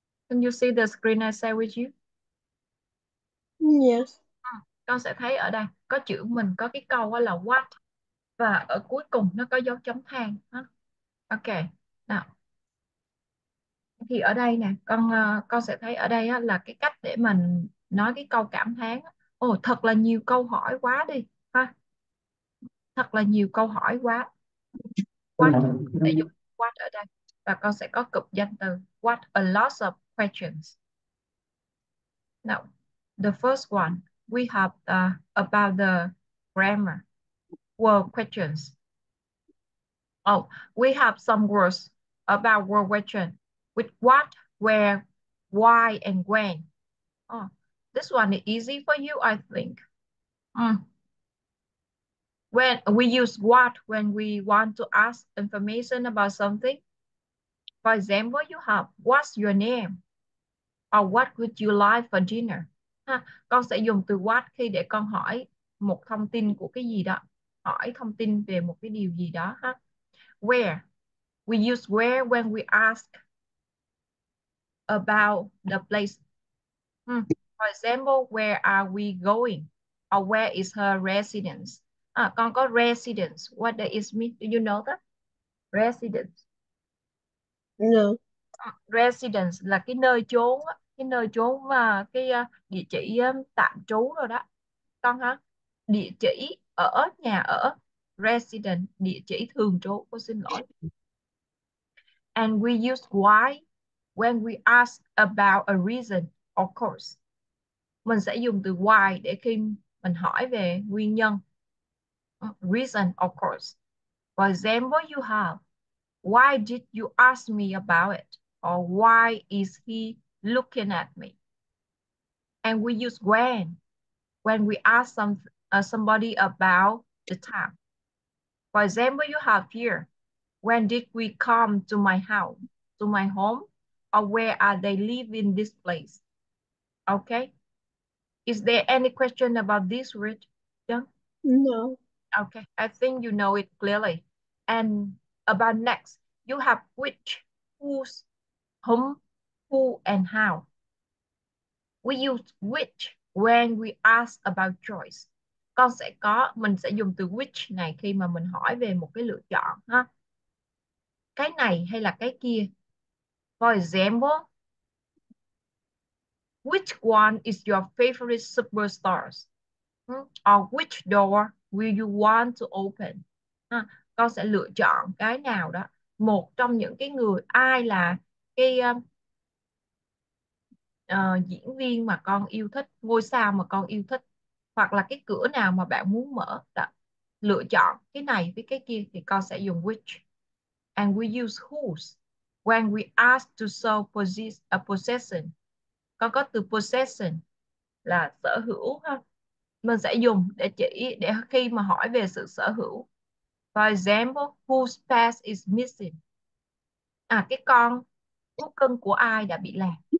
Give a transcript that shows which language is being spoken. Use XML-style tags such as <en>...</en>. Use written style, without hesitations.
<en>Can you see the screen I share with you? Yes.</en> <vi>Con sẽ thấy ở đây có chữ mình có cái câu là what và ở cuối cùng nó có dấu chấm than. Okay. Nào. Thì ở đây nè, con sẽ thấy ở đây là cái cách để mình nói cái câu cảm thán. Ồ, thật là nhiều câu hỏi quá đi ha. Thật là nhiều câu hỏi quá. What để dùng what ở đây. Và con sẽ có cụm danh từ</vi> <en>what a lot of questions. Now, the first one we have about the grammar. Word questions. Oh, we have some words about word question with what, where, why and when. Oh, this one is easy for you, I think. When we use what when we want to ask information about something. For example, you have what's your name? Or what would you like for dinner?</en> <vi>Ha, con sẽ dùng từ what khi để con hỏi một thông tin của cái gì đó. Hỏi thông tin về một cái điều gì đó.</vi> <en>Ha. Where? We use where when we ask about the place. For example, where are we going? Or where is her residence?</en> <vi>À, con có</vi> <en>residence. What does it mean? Do you know that? Residence. No.</en> <vi>Residence là cái nơi trú, cái nơi trú và cái địa chỉ tạm trú rồi đó. Con hả? Địa chỉ ở nhà ở, resident, địa chỉ thường trú, cô xin lỗi.</vi> <en>And we use why When we ask about a reason, of course.</en> <vi>Mình sẽ dùng từ why để khi mình hỏi về nguyên nhân.</vi> <en>Reason, of course. For example, you have, why did you ask me about it? Or why is he looking at me? And we use when we ask somebody about the time. For example, you have here, when did we come to my house, to my home, or where are they live in this place? Okay. Is there any question about this word? No. Okay, I think you know it clearly. And about next, you have which, whose, whom, who, and how. We use which when we ask about choice.</en> <vi>Con sẽ có, mình sẽ dùng từ which này khi mà mình hỏi về một cái lựa chọn ha. Cái này hay là cái kia.</vi> <en>For example, which one is your favorite superstars? Or which door will you want to open?</en> <vi>Con sẽ lựa chọn cái nào đó. Một trong những cái người, ai là cái diễn viên mà con yêu thích, ngôi sao mà con yêu thích, hoặc là cái cửa nào mà bạn muốn mở đó. Lựa chọn cái này với cái kia thì con sẽ dùng which.</vi> <en>And we use whose when we ask to show possession.</en> <vi>Con có từ possession là sở hữu ha. Mình sẽ dùng để chỉ, để khi mà hỏi về sự sở hữu.</vi> <en>For example, whose pet is missing?</en> <vi>À, cái con thú cưng của ai đã bị lạc?</vi>